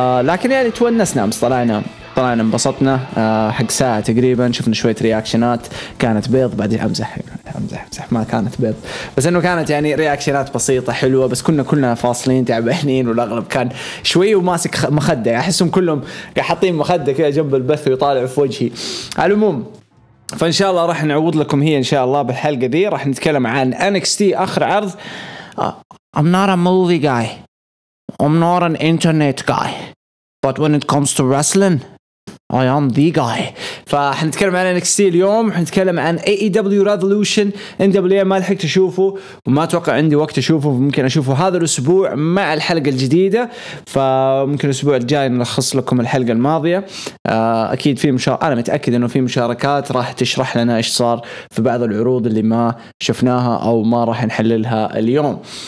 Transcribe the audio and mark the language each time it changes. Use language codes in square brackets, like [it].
[ar] لكن يعني تونسنا أمس، طلعنا انبسطنا حق ساعة تقريبا، شفنا شوية رياكشنات كانت بيض، بعدين أمزح ما كانت بيض، بس أنه كانت يعني رياكشنات بسيطة حلوة، بس كلنا فاصلين تعبانين، والأغلب كان شوي وماسك مخدة، أحسهم كلهم حاطين مخدة كده جنب البث ويطالع في وجهي. على العموم، فان شاء الله راح نعوض لكم هي ان شاء الله بالحلقه دي، راح نتكلم عن NXT اخر عرض. [en] I'm not a movie guy. I'm not an internet guy. But when it comes to wrestling, I am the guy. [ar] فحنتكلم عن NXT اليوم، وحنتكلم عن AEW Revolution. NWA ما لحقت اشوفه، وما اتوقع عندي وقت اشوفه، ممكن اشوفه هذا الاسبوع مع الحلقه الجديده، فممكن الاسبوع الجاي نلخص لكم الحلقه الماضيه. اكيد في انا متاكد انه في مشاركات راح تشرح لنا ايش صار في بعض العروض اللي ما شفناها او ما راح نحللها اليوم.